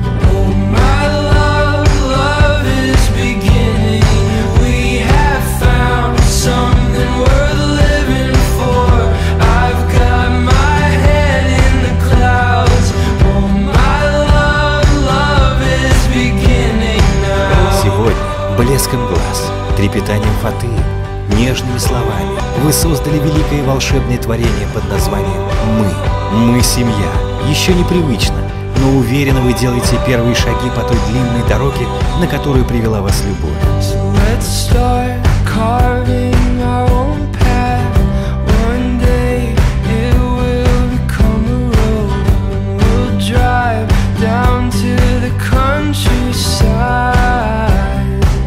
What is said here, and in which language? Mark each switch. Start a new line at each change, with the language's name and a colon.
English: Oh, my love, love is beginning. We have found something worth living for. I've got my head in the clouds. Oh, my love, love is beginning now.
Russian: Сегодня блеском глаз, трепетанием фаты, нежными словами вы создали великое волшебное творение под названием «Мы». Мы семья. Еще непривычно, но уверенно вы делаете первые шаги по той длинной дороге, на которую привела вас любовь.
English: So let's start carving our own path. One day it will become a road. We'll drive down to the countryside.